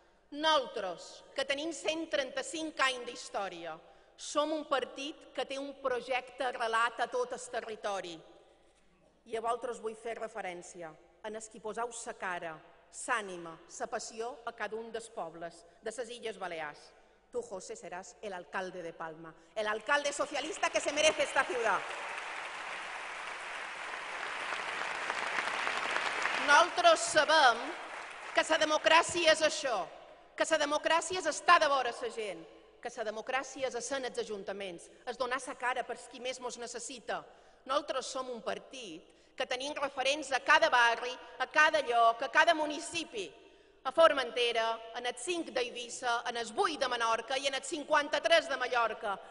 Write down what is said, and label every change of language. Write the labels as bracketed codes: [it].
[ca] Nosaltres, que tenim 135 anys d'història, som un partit que té un projecte arrelat a tot el territori. I a vosaltres vull fer referència en els qui poseu sa cara, sa ànima, sa passió a cada un dels pobles de les Illes Balears. [es] Tu, José, seràs el alcalde de Palma, el alcalde socialista que se merece esta ciudad. [ca] Nosaltres sabem que la democràcia és això, que la democràcia és estar de vora la gent, que la democràcia és ser en els ajuntaments, és donar la cara per qui més ens necessita. Nosaltres som un partit que tenim referents a cada barri, a cada lloc, a cada municipi, a Formentera, en els 5 d'Eivissa, en els 8 de Menorca i en els 53 de Mallorca.